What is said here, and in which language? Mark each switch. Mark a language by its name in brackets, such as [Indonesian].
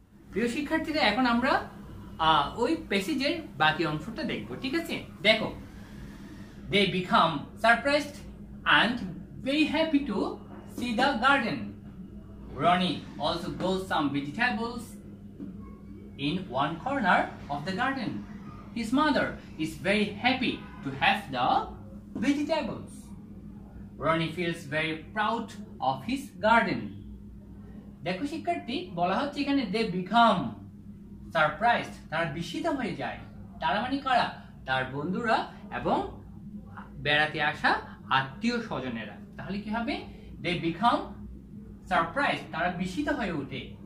[Bangla] প্রিয় শিক্ষার্থীদের এখন আমরা ওই প্যাসেজের বাকি অংশটা দেখব ঠিক আছে দেখো [English] They become surprised and very happy to see the garden Ronnie also grows some vegetables in one corner of the garden. His mother is very happy to have the vegetables. Ronnie feels very proud of his garden. [Bangla] দেখো শিক্ষার্থী বলা হচ্ছে এখানে [English] they become surprise [Bangla] তারা বিস্মিত হয়ে যায় তারা মানে কারা তার বন্ধুরা এবং বেড়াতে আসা আত্মীয় স্বজনেরা তাহলে কি হবে দে বিকাম সারপ্রাইজ তারা বিস্মিত হয়ে ওঠে